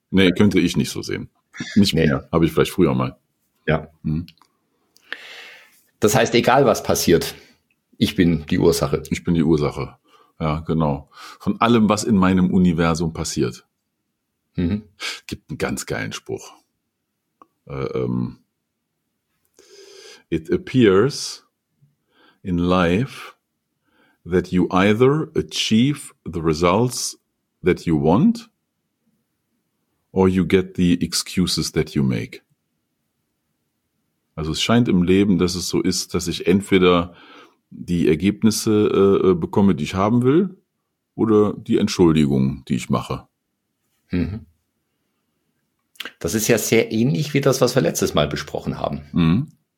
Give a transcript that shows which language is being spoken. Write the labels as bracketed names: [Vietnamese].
[German] Nee, könnte ich nicht so sehen. Nicht mehr. Nee. Habe ich vielleicht früher mal. Ja. Das heißt, egal was passiert, ich bin die Ursache. Ich bin die Ursache. Ja, genau. Von allem, was in meinem Universum passiert. Gibt einen ganz geilen Spruch. [English] It appears in life that you either achieve the results that you want or you get the excuses that you make. [German] Also es scheint im Leben, dass es so ist, dass ich entweder die Ergebnisse bekomme, die ich haben will, oder die Entschuldigung, die ich mache. Das ist ja sehr ähnlich wie das, was wir letztes Mal besprochen haben.